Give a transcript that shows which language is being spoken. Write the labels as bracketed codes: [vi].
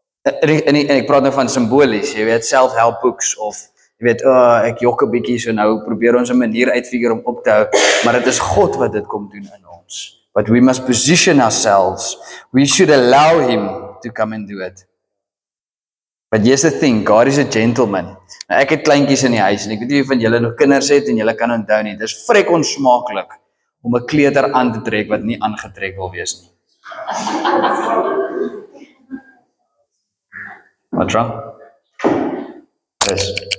[af] En ek praat nou van simbolies, jy weet, self-help books of jy weet, ek jok 'n bietjie so nou, probeer ons 'n manier uitfigure om op te hou, maar dit is God wat dit kom doen in ons. [en] But we must position ourselves. We should allow him to come and do it. But here's the thing, God is a gentleman. [af] Nou, ek het kleintjies in die huis en ek weet nie of van julle nog kinders het en julle kan onthou nie. Dis vrek onsmaaklik om 'n kleuter aan te trek wat nie aangetrek wil wees nie. [en] Wat wrong? Yes.